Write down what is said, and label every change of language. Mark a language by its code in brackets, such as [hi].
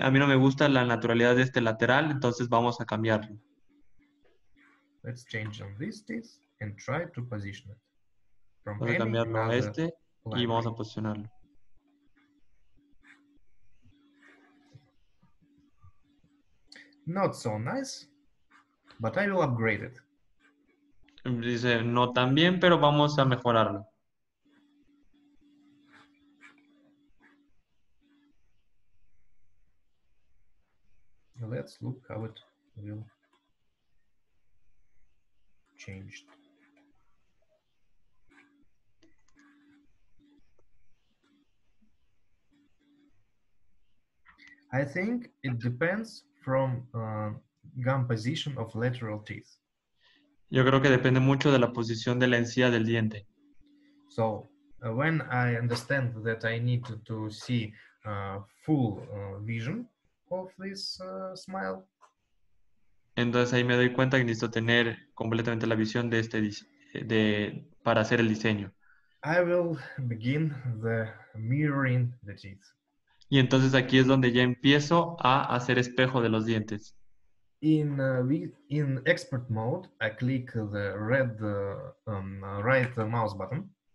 [es] Dice, a mí no me gusta la naturalidad de este lateral, entonces vamos a cambiarlo. [en] Let's change on this teeth and try to position it. [es] Vamos a cambiarlo a este y vamos a posicionarlo. [en] Not so nice, but I will upgrade it. [es] Dice, no tan bien, pero vamos a mejorarlo. [en] Let's look how it will change. I think it depends from gum position of lateral teeth. [es] Yo creo que depende mucho de la posición de la encía del diente. [en] So, when I understand that I need to see full vision of this smile. [es] Entonces ahí me doy cuenta que necesito tener completamente la visión de este para hacer el diseño. [en] I will begin the mirroring the teeth. [es] Y entonces aquí es donde ya empiezo a hacer espejo de los dientes. [en] In expert mode, I click the red right mouse button.